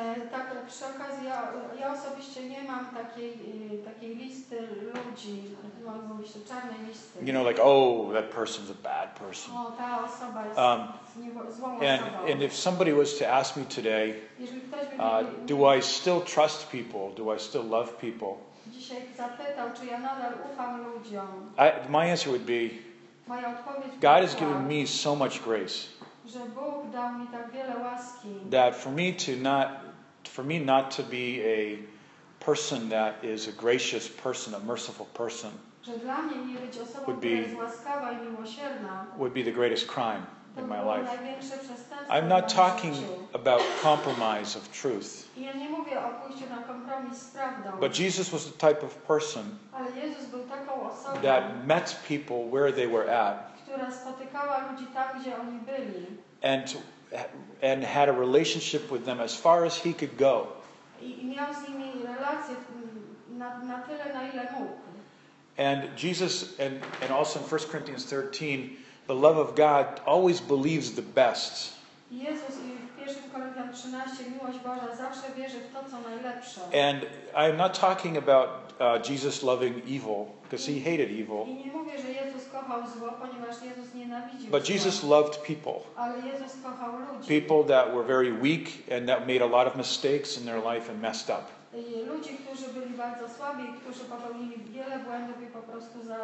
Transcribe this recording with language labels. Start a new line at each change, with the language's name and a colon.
Polish: Tak, przy okazji, ja osobiście nie mam takiej listy ludzi, mogę mówić o czarnej listy.
English: You know, like, oh, that person's a bad person.
Polish: O, ta osoba jest złą osobą.
English: And if somebody was to ask me today, do I still trust people? Do I still love people?
Polish: Dzisiaj zapytał, czy ja nadal ufam ludziom.
English: My answer would be,
Polish: moja odpowiedź by
English: God has given me so much grace.
Polish: Że Bóg dał mi tak wiele łaski.
English: That for me not to be a person that is a gracious person, a merciful person,
Polish: że dla mnie nie być osobą, która jest łaskawa i miłosierna,
English: would be the greatest crime in my life.
Polish: Największe przestępstwo.
English: I'm not talking about compromise of truth.
Polish: Ja nie mówię o pójściu na kompromis z prawdą.
English: But Jesus was the type of person,
Polish: ale Jezus był taką osobą,
English: that met people where they were at,
Polish: która spotykała ludzi tam, gdzie oni byli,
English: and had a relationship with them as far as he could go.
Polish: I miał z nimi relacje na tyle, na ile mógł.
English: And Jesus, and also in 1 Corinthians 13, the love of God always believes the best.
Polish: Jezus i w 1 Korinthian 13, miłość Boża zawsze wierzy w to, co najlepsze.
English: And I'm not talking about Jesus loving evil, because he hated evil.
Polish: I nie mówię, że Jezus kochał zło, ponieważ Jezus nienawidził zło.
English: But Jesus loved people.
Polish: Ale Jezus kochał ludzi.
English: People that were very weak and that made a lot of mistakes in their life and messed up.
Polish: Ludzi, którzy byli bardzo słabi, którzy popełnili wiele błędów i po prostu